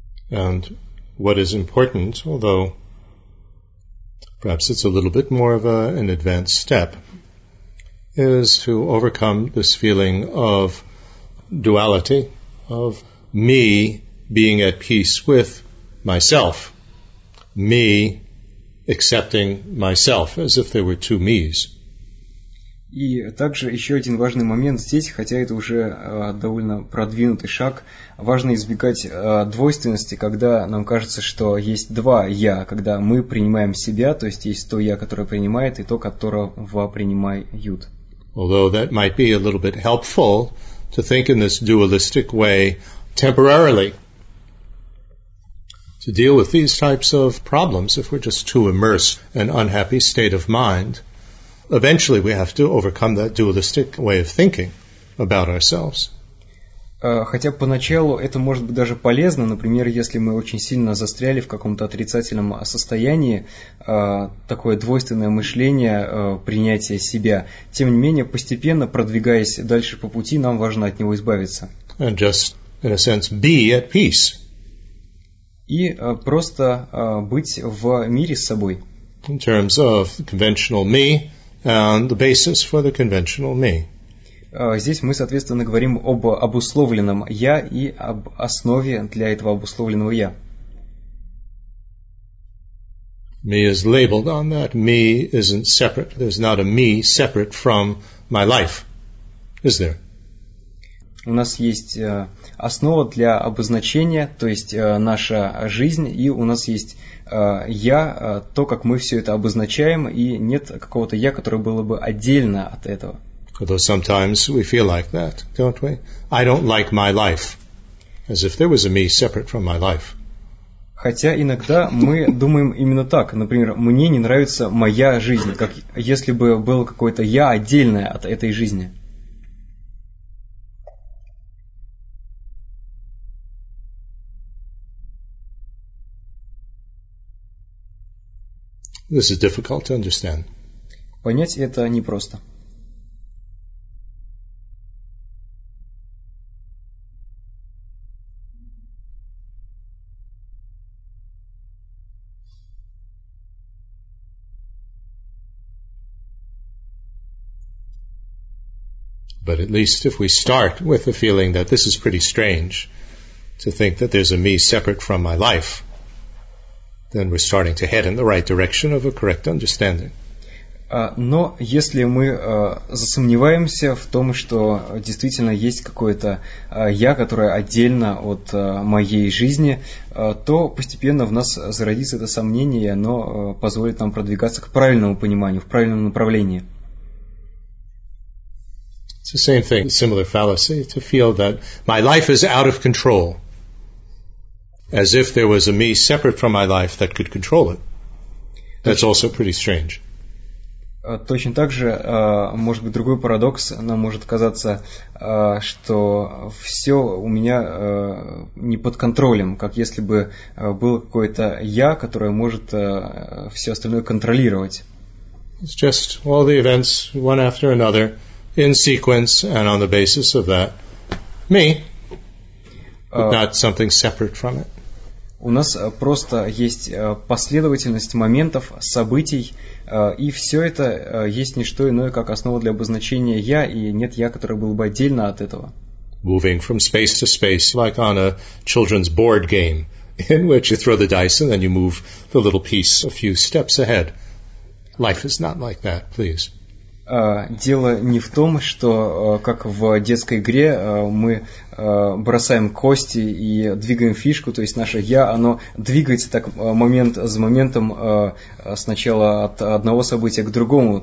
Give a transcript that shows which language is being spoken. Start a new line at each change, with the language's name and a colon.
English: And what is important, although perhaps it's a little bit more of an advanced step, is to overcome this feeling of duality, of me being at peace with myself, me accepting myself as if there were two me's.
Russian: И также еще один важный момент здесь, хотя это уже довольно продвинутый шаг, важно избегать двойственности, когда нам кажется, что есть два «я», когда мы принимаем себя, то есть есть то «я», которое принимает, и то, которого принимают.
English: Although that might be a little bit helpful to think in this dualistic way temporarily, to deal with these types of problems if we're just too immersed in an unhappy state of mind. Eventually, we have to overcome that dualistic way of thinking about ourselves.
Russian: Хотя поначалу это может быть даже полезно, например, если мы очень сильно застряли в каком-то отрицательном состоянии, такое двойственное мышление, принятие себя. Тем не менее, постепенно продвигаясь дальше по пути, нам важно от него избавиться.
English: And just, in a sense, be at peace.
Russian: И просто быть в мире с собой.
English: In terms of conventional me. And the basis for the conventional me.
Russian: Здесь мы, соответственно, говорим об обусловленном «я» и об основе для этого обусловленного «я».
English: Me is labeled on that. Me isn't separate. There's not a me separate from my life, is there?
Russian: У нас есть основа для обозначения, то есть наша жизнь, и у нас есть «я», то, как мы все это обозначаем, и нет какого-то «я», которое было бы отдельно от этого.
English: Although sometimes we feel like that, don't we? I don't like my life. As if there was a me separate from my life.
Russian: Хотя иногда мы думаем именно так. Например, мне не нравится моя жизнь, как если бы был какой-то я отдельное от этой жизни.
English: This is difficult to understand.
Russian: Понять это непросто.
English: But at least if we start with the feeling that this is pretty strange to think that there's a me separate from my life, then we're starting to head in the right direction of a correct understanding.
Russian: Но если мы засомневаемся в том, что действительно есть какое-то я, которое отдельно от моей жизни, то постепенно в нас зародится это сомнение, и оно позволит нам продвигаться к правильному пониманию, в правильном направлении.
English: It's the same thing, similar fallacy, to feel that my life is out of control. As if there was a me separate from my life that could control it. That's also pretty strange.
Russian: Точно так же, может быть, другой парадокс, нам может казаться, что все у меня не под контролем, как если бы был какой-то я, который может все остальное контролировать.
English: It's just all the events, one after another, in sequence, and on the basis of that, me, but not something separate from it.
Russian: У нас просто есть последовательность моментов, событий, и все это есть не что иное, как основа для обозначения «я», и нет «я», которое было бы отдельно от этого.
English: Moving from space to space, like on a children's board game, in which you throw the dice and then you move the little piece a few steps ahead. Life is not like that, please.
Russian: Дело не в том, что, как в детской игре, мы бросаем кости и двигаем фишку, то есть наше «я», оно двигается так момент за моментом, сначала от одного события к другому.